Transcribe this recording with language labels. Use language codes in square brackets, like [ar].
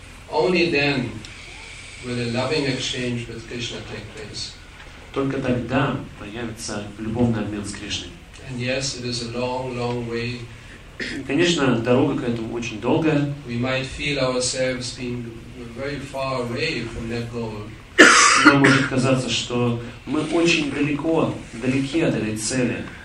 [en] Only then will a loving exchange with Krishna take place. [ru] Только тогда появится любовный обмен с Кришной. [en] And yes, it is a long, long way. [ru] Конечно, дорога к этому очень долгая. [en] We might feel ourselves being very far away from that goal. [ru] Нам может казаться, что мы очень далеки от этой цели.